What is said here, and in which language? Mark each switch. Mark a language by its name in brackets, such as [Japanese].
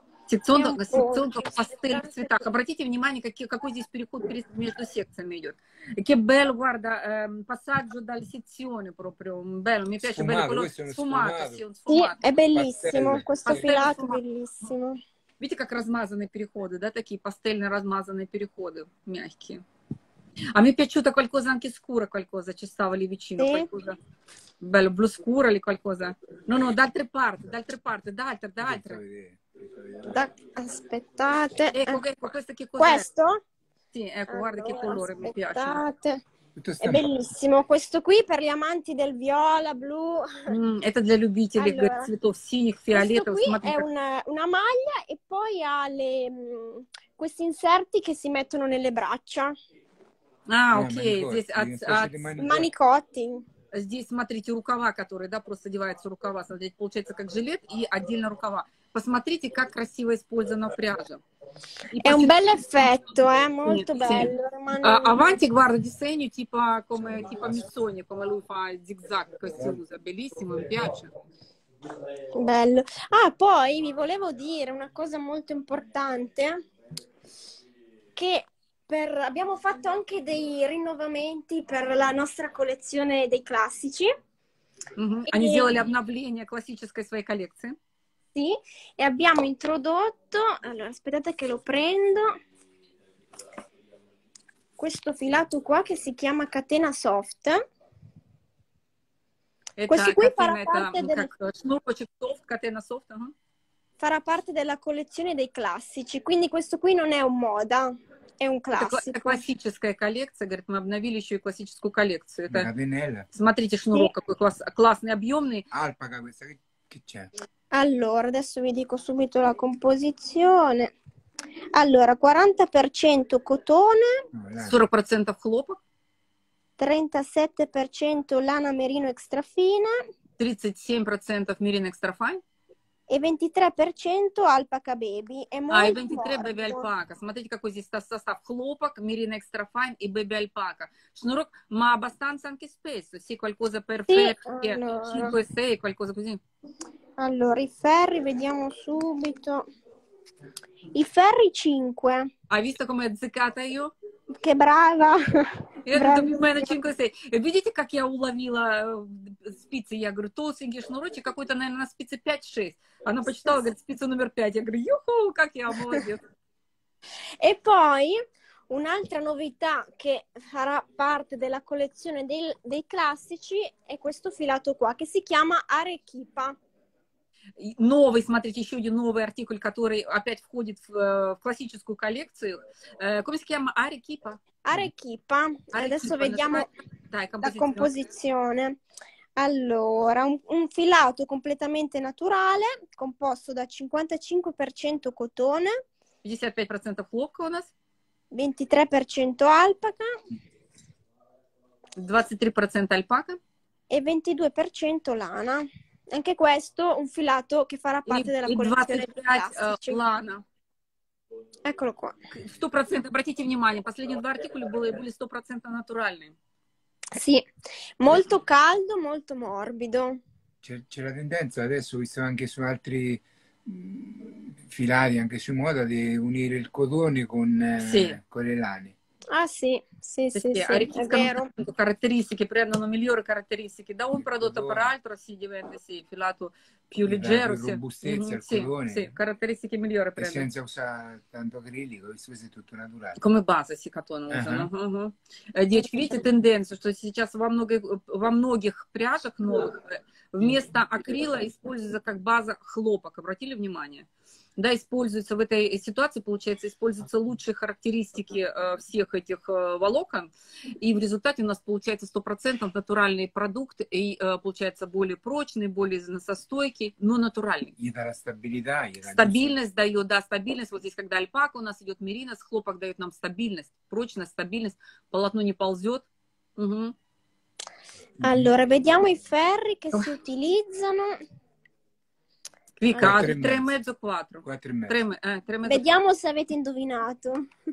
[Russian] Секционка в пастельных цветах. Обратите внимание, какой здесь переход между секциями идет. [Italian] Che bello, guarda, passaggio dalle sezioni proprio. Bello, mi piace. Sfumato, bello, Sì, è bellissimo, questo filato è bellissimo. [Russian] Видите, как размазанные переходы, да, такие пастельные размазанные переходы, мягкие. А мне пячута [Italian] qualcosa anche scura, qualcosa, ci stava lì vicino, qualcosa. Bello, blu scuro lì qualcosa. No, no, d'altre parti, d'altre. Da, aspettate. Ecco, questo che cos'è? Questo? Sì, ecco, allora, guarda che colore, aspettate. Mi piace. Aspettate. È bellissimo. Questo qui per gli amanti del viola, blu. È per gli amanti del [Russian] cvetov, sinich, fioletto. [Italian] Questo qui è una maglia e poi ha questi inserti che si mettono nelle braccia. Ah, ok. Manicotti. [Russian] Здесь, смотрите, рукава, которые, да, просто одеваются рукава, смотрите, получается как жилет и отдельно рукава. Посмотрите, как красиво использована пряжа. [Italian] È un bel effetto, è molto bello. Avanti, guarda, disegno tipo Missoni, come lui fa il zigzag, questo usa, bellissimo, mi piace. Bello. Ah, poi vi volevo dire una cosa molto importante, che abbiamo fatto anche dei rinnovamenti per la nostra collezione dei classici. Hanno fatto gli aggiornamenti classici sue collezioni. Sì, e abbiamo introdotto. Allora, aspettate che lo prendo. Questo filato qua che si chiama catena soft. Questo qui farà parte del. Catena soft. Farà parte della collezione dei classici. Quindi questo qui non è un moda. [Russian] Это классическая коллекция, говорит, мы обновили еще и классическую коллекцию. Это, Венелла. Смотрите, шнурок какой классный, объемный. Альпака, вы смотрите, что [Italian] это? Allora, adesso vi dico subito la composizione. Allora, 40% cotone, [Russian] 40% хлопок, [Italian] 37% lana merino extra fine, 37% merino extra fine, e 23% alpaca baby. È molto importante. Ah, 23% baby alpaca. [Russian] Смотрите, какой здесь состав. Хлопок, merino extra fine и baby alpaca. Шнурок, [Italian] ma abbastanza anche spesso. Sì, qualcosa per ferri, 5-6, qualcosa così. Allora, i ferri, vediamo subito. I ferri 5. Hai visto come è azzeccata io? Che brava! [Russian] Я видите, как я уловила спицы? Я говорю, толстенький шнурочек, какой-то, наверное, на спице 5-6. Она почитала, говорит, спица номер 5. Я говорю, юху, как я молодец. И потом, [Italian] un'altra novità, che farà parte della collezione dei classici, è questo filato qua, che si chiama Arequipa. [Russian] Новый, смотрите, еще один новый артикль, который опять входит в классическую коллекцию. [Italian] Come si chiama? Arequipa. Arequipa. Adesso vediamo la composizione. Allora, un filato completamente naturale, composto da 55% cotone. [Russian] 55% хлопка у нас. [Italian] 23% alpaca. 23% alpaca. E 22% lana. Anche questo un filato che farà parte della collezione dei classici. Lana. Eccolo qua. [Russian] 100%, обратите внимание, последние два артикуля были 100% натуральные. [Italian] Sì, molto caldo, molto morbido. C'è la tendenza, adesso ho visto anche su altri filati, anche su moda, di unire il cotone con le lane. Ah sì, sì, perché sì, è vero. Tanto, caratteristiche, prendono migliori caratteristiche. Da un prodotto per l'altro si diventa sì, filato più leggero. La robustezza, il cotone. Sì, caratteristiche migliori. E senza usare tanto acrilico, visto che è tutto naturale. Come base si cotone usano. Dieci, vedete tendenza, che [Russian] сейчас во многих пряжах новых вместо акрила используется как база хлопок. Обратили внимание? Да, используется в этой ситуации, получается, используются лучшие характеристики всех этих волокон, и в результате у нас получается 100% натуральный продукт, и получается более прочный, более износостойкий, но натуральный. И дает стабильность. Стабильность дает, да, стабильность. Вот здесь, когда альпака у нас идет, мерина, с хлопок дает нам стабильность, прочность, стабильность, полотно не ползет. Угу. [Italian] Allora, vediamo i ferri che si utilizzano. Qui cade, 3,5-4. Vediamo se avete indovinato.